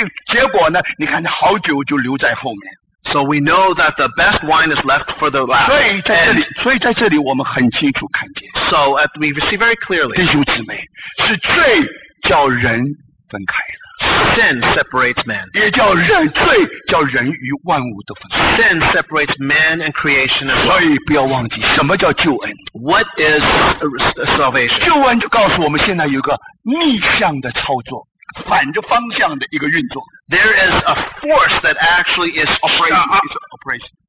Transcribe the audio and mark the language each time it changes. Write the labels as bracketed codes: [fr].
[zh] 结果呢, 你看见好酒就留在后面。 [en] So we know that the best wine is left for the last. [zh] 所以在这里我们很清楚看见。 [en] So we see very clearly. [zh] 弟兄姊妹, 是罪叫人分开了。 [en] Sin separates man. [zh] 也叫人罪叫人与万物的分开。 [en] Sin separates man and creation as [zh] well. 所以不要忘记什么叫救恩。 [en] What is salvation? [zh] 救恩就告诉我们现在有个逆向的操作。反着方向的一个运作。 [en] There is a force that actually is operating.